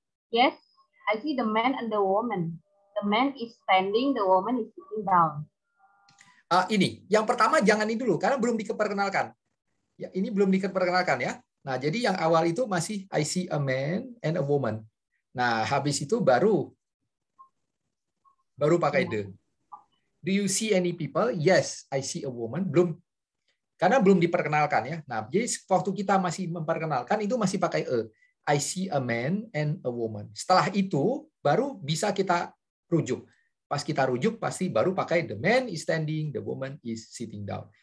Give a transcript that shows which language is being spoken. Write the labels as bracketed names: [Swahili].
[English] Yes, I see the man and the woman. The man is standing, the woman is sitting down. [Indonesian] Ini, yang pertama jangan ini dulu, karena belum diperkenalkan. Ya, ini belum diperkenalkan ya. Nah, jadi yang awal itu masih [English] I see a man and a woman. [Indonesian] Nah, habis itu baru pakai the. [English] Do you see any people? Yes, I see a woman. [Indonesian] Belum, karena belum diperkenalkan ya. Nah, jadi waktu kita masih memperkenalkan itu masih pakai a. [English] I see a man and a woman. [Indonesian] Setelah itu, baru bisa kita rujuk. Pas kita rujuk, pasti baru pakai [English] the man is standing, the woman is sitting down.